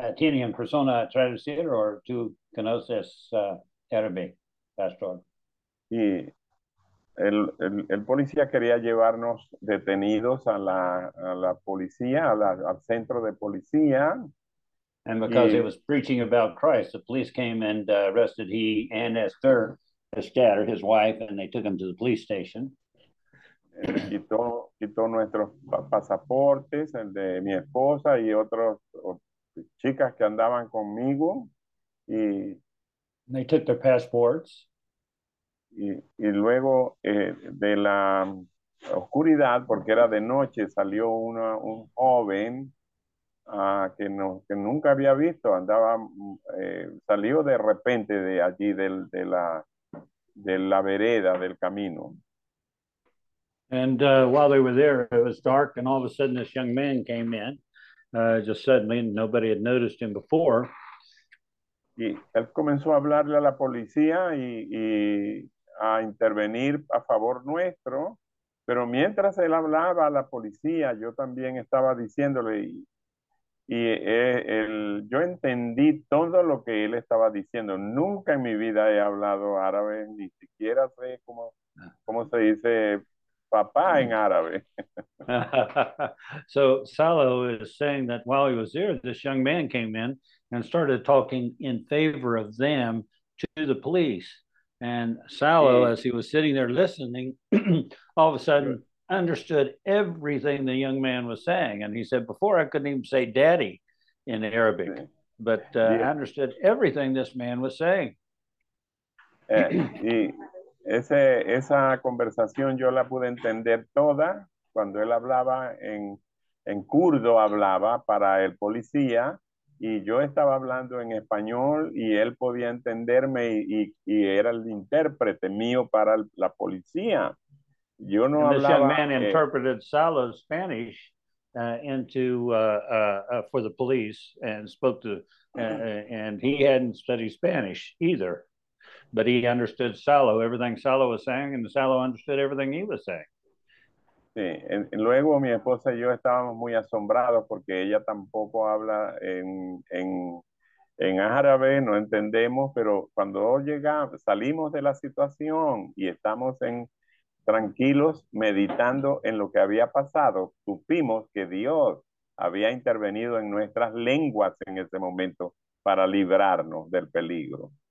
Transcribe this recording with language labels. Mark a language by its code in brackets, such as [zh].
[es] ¿Tiene en persona traducir o tú conoces Arabic, Pastor? Y el policía quería llevarnos detenidos a la policía, al centro de policía. [en] And because he was preaching about Christ, the police came and arrested he and Esther, Esther, his wife, and they took him to the police station. [es] Quitó nuestros pasaportes, el de mi esposa y otras chicas que andaban conmigo. Y [en] they took their passports. [es] Y luego de la oscuridad, porque era de noche, salió un joven que nunca había visto, andaba, salió de repente de allí, de la vereda, del camino. [en] And while they were there, it was dark, and all of a sudden this young man came in, just suddenly, and nobody had noticed him before. [es] Y él comenzó a hablarle a la policía y a intervenir a favor nuestro, pero mientras él hablaba a la policía, yo también estaba diciéndole yo entendí todo lo que él estaba diciendo. Nunca en mi vida he hablado árabe, ni siquiera sé cómo se dice papá en árabe. [en] So Salo is saying that while he was there, this young man came in and started talking in favor of them to the police. And Salo, as he was sitting there listening, all of a sudden understood everything the young man was saying. And he said, before I couldn't even say daddy in Arabic, but I understood everything this man was saying. [es] Y esa conversación yo la pude entender toda cuando él hablaba en kurdo, hablaba para el policía. Y yo estaba hablando en español y él podía entenderme y era el intérprete mío para la policía. Yo no [en] and [es] hablaba. [en] This young man interpreted Salo's Spanish for the police and spoke to and he hadn't studied Spanish either, but he understood Salo, everything Salo was saying, and Salo understood everything he was saying. [es] Sí, luego mi esposa y yo estábamos muy asombrados porque ella tampoco habla en árabe, no entendemos, pero cuando llegamos, salimos de la situación y estamos tranquilos meditando en lo que había pasado, supimos que Dios había intervenido en nuestras lenguas en ese momento para librarnos del peligro.